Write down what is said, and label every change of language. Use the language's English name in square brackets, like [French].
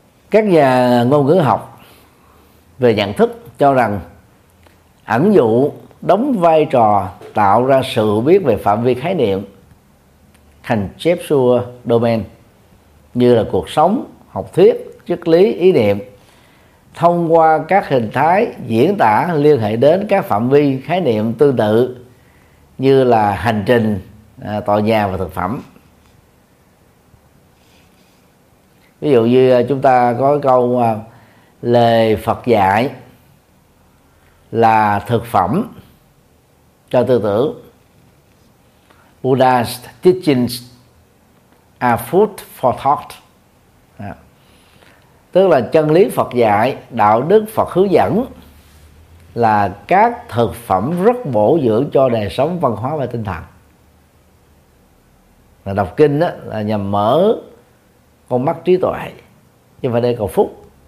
[Vietnamese] Các nhà ngôn ngữ học về nhận thức cho rằng ẩn dụ đóng vai trò tạo ra sự biết về phạm vi khái niệm thành conceptual domain, như là cuộc sống, học thuyết, triết lý, ý niệm, thông qua các hình thái diễn tả liên hệ đến các phạm vi khái niệm tương tự như là hành trình, tòa nhà và thực phẩm. Ví dụ như chúng ta có câu lời Phật dạy là thực phẩm cho tư tưởng. [English] Buddha's teachings are food for thought. [Vietnamese] Tức là chân lý Phật dạy, đạo đức Phật hướng dẫn là các thực phẩm rất bổ dưỡng cho đời sống văn hóa và tinh thần. Là đọc kinh đó, là nhằm mở con mắt trí tuệ, nhưng mà đây cầu phúc.